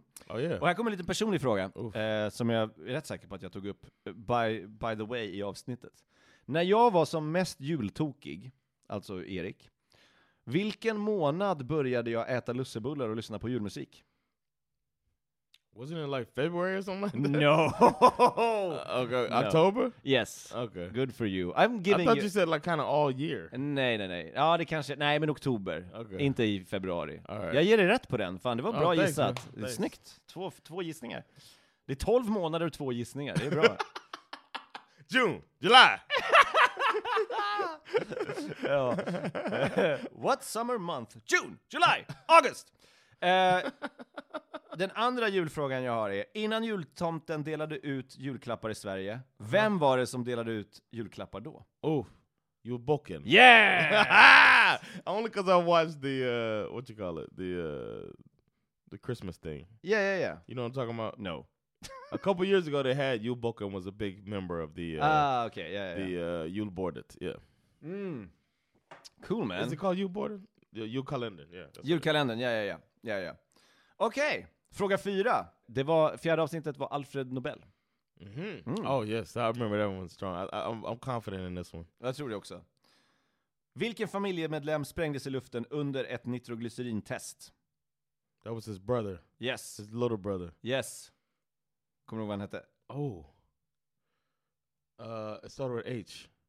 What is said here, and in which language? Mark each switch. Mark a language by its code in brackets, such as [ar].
[en] Oh yeah. [sv] Och här kommer en liten personlig fråga som jag är rätt säker på att jag tog upp [en] by the way [sv] i avsnittet. När jag var som mest jultokig, alltså Erik, vilken månad började jag äta lussebullar och lyssna på julmusik? [en] Wasn't it like February or something like that? No. Okay, no. October? Yes. Okay. Good for you. I'm giving I thought you said like kind of all year. [sv] Nej, nej, nej. Ja, det kanske... Nej, men oktober. [en] Okay. [sv] Inte i februari. [en] All right. [sv] Jag ger dig rätt på den. Fan, det var bra gissat. Thanks. Snyggt. Två gissningar. Det är 12 månader och 2 gissningar. Det är bra. [en] June. July. What summer month? June, July, August. [sv] Den andra julfrågan jag har är: innan jultomten delade ut julklappar i Sverige, vem var det som delade ut julklappar då? [en] Oh, julbocken. Yeah. Only because I watched the what you call it, the Christmas thing. Yeah, yeah, yeah. You know what I'm talking about? No. A couple years ago, they had julbocken was a big member of the okay, yeah, the yeah. Julbordet, yeah. Mm. Cool, man. Is it called Julbordet? Julkalendern, yeah. Julkalendern, yeah, yeah, yeah. Yeah, yeah. Okej, okay. [sv] Fråga 4. Det var, fjärde avsnittet var Alfred Nobel. [en] Oh, yes, I remember that one strong. I'm confident in this one. [sv] Jag tror det också. Vilken familjemedlem sprängdes i luften under ett nitroglycerintest? [en] That was his brother. Yes. His little brother. [sv] Yes. Kommer du ihåg vad han hette? [en] Oh. It started with H.